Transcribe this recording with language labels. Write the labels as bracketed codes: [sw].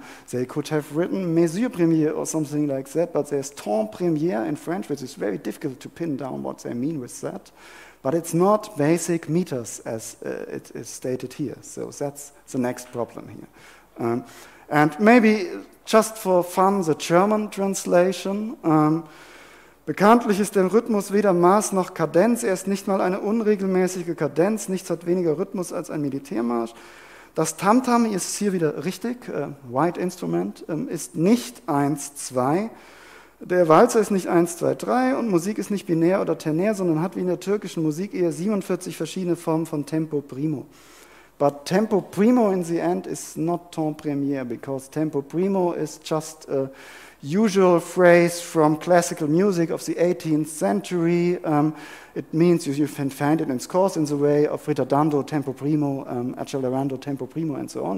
[en] They could have written mesure premier or something like that, but there's ton premier in French, which is very difficult to pin down what they mean with that. But it's not basic meters as it is stated here. So that's the next problem here. And maybe just for fun, the German translation. [de] Bekanntlich ist der Rhythmus weder Maß noch Kadenz. Er ist nicht mal eine unregelmäßige Kadenz. Nichts hat weniger Rhythmus als ein Militärmarsch. Das Tamtam ist hier wieder richtig, [en] white instrument, [de] ist nicht 1-2. Der Walzer ist nicht 1-2-3 und Musik ist nicht binär oder ternär, sondern hat wie in der türkischen Musik eher 47 verschiedene Formen von Tempo Primo. [en] But tempo primo in the end is not ton premier, because tempo primo is just a usual phrase from classical music of the 18th century. It means you can find it in scores in the way of ritardando tempo primo, accelerando tempo primo, and so on.